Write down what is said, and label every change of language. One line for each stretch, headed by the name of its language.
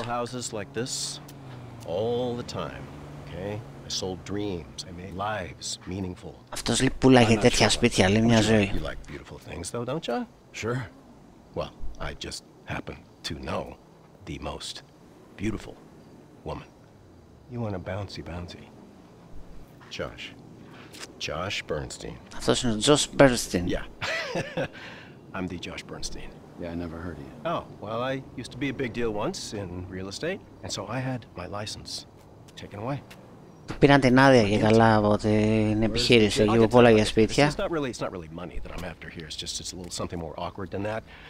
English: Sell houses like this all the time, okay? I sold dreams, I made lives meaningful.
Greek: Αυτός λέει πουλάγε τέτοια σπίτια, λέει μια ζωή.
English: You like beautiful things though, don't you? Sure. Well, I just happen to know the most beautiful woman. You want a bouncy bouncy? Josh. Josh Bernstein.
Greek: Αυτός είναι ο Josh Bernstein.
English: Yeah. I'm the Josh Bernstein. Yeah, I never heard of you. Oh, well, I used to be a big deal once in real estate, and so I had my license taken away.
Greek: Πήραν την άδεια και καλά από την επιχείρηση, λίγο πολλά για σπίτια.
English: It's not really money that I'm after here. It's just it's a little something more awkward than that.